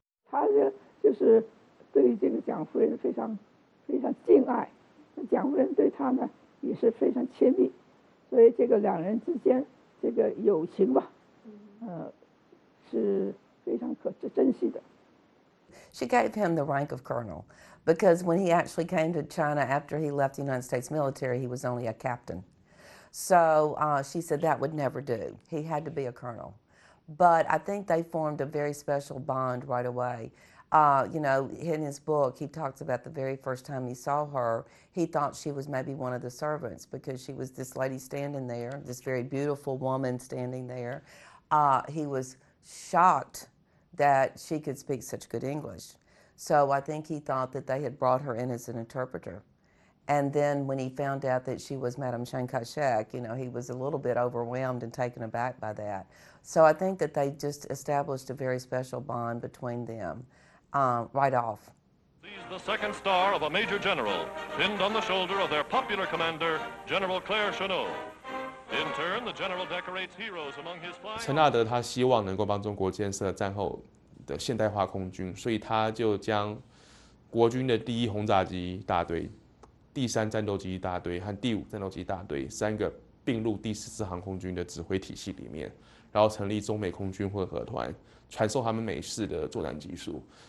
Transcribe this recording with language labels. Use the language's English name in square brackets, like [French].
[Chinese] 他就是对这个蒋夫人非常非常敬爱，蒋夫人对他呢也是非常亲密，所以这个两人之间这个友情吧，是非常可珍惜的。 [English] She gave him the rank of colonel, because when he actually came to China after he left the United States military, he was only a captain. So, she said that would never do. He had to be a colonel. But I think they formed a very special bond right away. You know, in his book, he talks about the very first time he saw her, he thought she was maybe one of the servants because she was this lady standing there, this very beautiful woman standing there. He was shocked that she could speak such good English. So I think he thought that they had brought her in as an interpreter. And then when he found out that she was Madame Chiang Kai-shek, you know, he was a little bit overwhelmed and taken aback by that. So I think that they just established a very special bond between them. Right off. He's the second star of a major general, pinned on the shoulder of their popular commander, General Claire Chennault. In turn, the general decorates heroes among his flying. [Chinese] 陈纳德他希望能够帮中国建设战后的现代化空军，所以他就将国军的第一轰炸机大队、第三战斗机大队和第五战斗机大队三个并入第十四航空军的指挥体系里面，然后成立中美空军混合团，传授他们美式的作战技术。